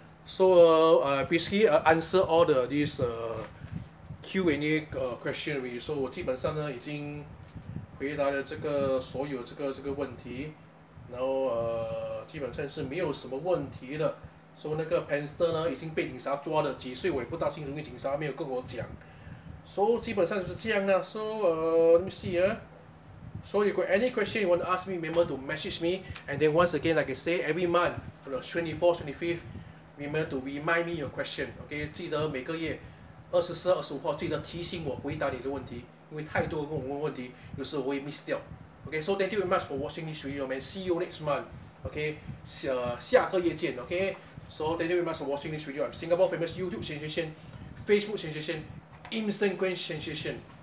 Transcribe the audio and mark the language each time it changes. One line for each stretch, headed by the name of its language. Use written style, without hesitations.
English: So, basically, answer all the this Q&A question.
Chinese: So, 我基本上呢, 已经回答了这个所有这个问题. 然后, 基本上是没有什么问题的. So, 那个 Panster 呢, 已经被警察抓了, 几岁, 我也不大清楚, 警察, 没有跟我讲. So, 基本上就是这样啦.
English: So, let me see. So, if you got any question you want to ask me, remember to message me. And then once again, like I say, every month, for the 24th, 25th, remember to remind me your question.
Chinese: Okay, 记得每个月 24, 25号, 记得提醒我回答你的问题. 因为太多人问我问题, 有时候我会 miss 掉.
English: Okay, so thank you very much for watching this video, man. See you next month. Okay,
Chinese: 下个月见.
English: Okay, so thank you very much for watching this video. I'm Singapore famous YouTube sensation, Facebook sensation, Instant Grand Sensation.